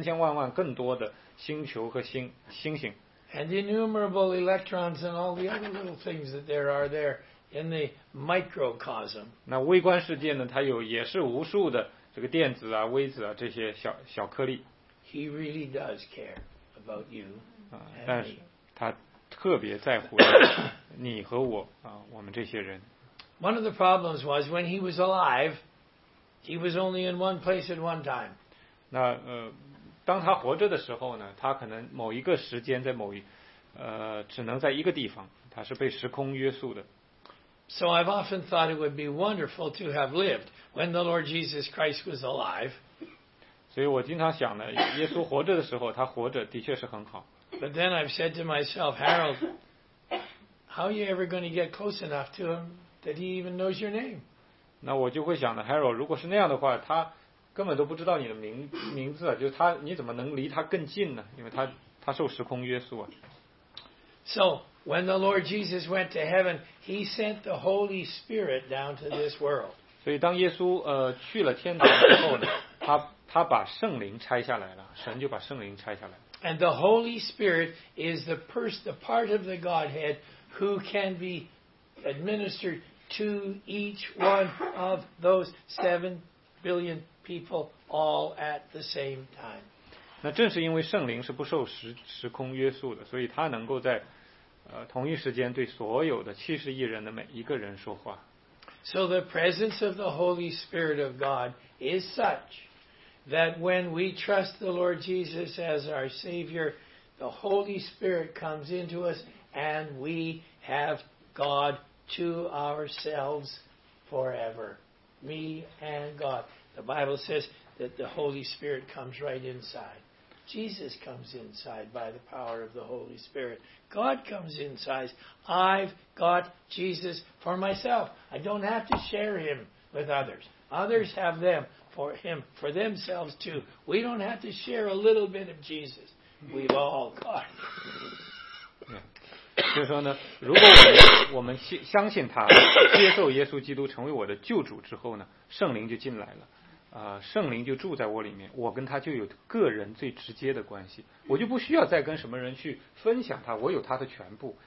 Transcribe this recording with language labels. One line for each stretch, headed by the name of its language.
Chinese: 那某种程度呢，这个神他现在地上有70亿人，或者有千千万万更多的星球和星星。
English: And innumerable electrons and all the other little things that there are there, in the microcosm.
Chinese: 那微观世界呢，它有也是无数的这个电子啊、微子啊这些小小颗粒。
English: He really does care about you.
Chinese: 但是他特别在乎你和我啊，我们这些人。
English: One of the problems was when he was alive, he was only in one place at one time.
Chinese: 那当他活着的时候呢，他可能某一个时间在某一只能在一个地方，他是被时空约束的。
English: So I've often thought it would be wonderful to have lived when the Lord Jesus Christ was alive.
Chinese: 所以我经常想呢，耶稣活着的时候，他活着的确是很好。
English: But then I've said to myself, Harold, how are you ever going to get close enough to him that he even knows your name?
Chinese: 那我就会想呢 ，Harold， 如果是那样的话，他根本都不知道你的名字、啊，就是他，你怎么能离他更近呢？因为他受时空约束啊。
English: So when the Lord Jesus went to heaven, he sent the Holy Spirit down to this world.
Chinese: 所以当耶稣去了天堂之后呢，他把圣灵拆下来了，神就把圣灵拆下来。
English: And the Holy Spirit is the part of the Godhead who can be administered to each one of those 7 billion people all at the same time.
Chinese: 那正是因为圣灵是不受时空约束的，所以他能够在同一时间对所有的70亿人的每一个人说话。
English: So the presence of the Holy Spirit of God is such. That when we trust the Lord Jesus as our Savior, the Holy Spirit comes into us and we have God to ourselves forever. Me and God. The Bible says that the Holy Spirit comes right inside. Jesus comes inside by the power of the Holy Spirit. God comes inside. I've got Jesus for myself. I don't have to share him with others. Others have them. For him, for themselves too. We don't have to share a little bit of Jesus. We've all got.
Chinese: 就是说呢，如果我们相信他，接受耶稣基督成为我的救主之后呢，圣灵就进来了，圣灵就住在我里面，我跟他就有个人最直接的关系，我就不需要再跟什么人去分享他，我有他的全部。